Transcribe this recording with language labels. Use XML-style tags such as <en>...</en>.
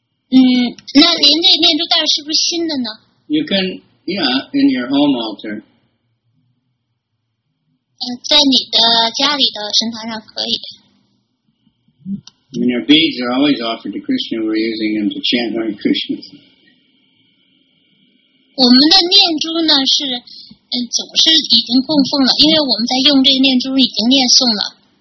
<zh>那您这念珠袋是不是新的呢？</zh> <en>You can, yeah, in your home altar.</en> <zh>在你的家里的神坛上可以。</zh> <en>I mean, your beads are always offered to Krishna. We're using them to chant Hare Krishna.</en> <zh>我们的念珠呢是总是已经供奉了，因为我们在用这个念珠已经念诵了。</zh>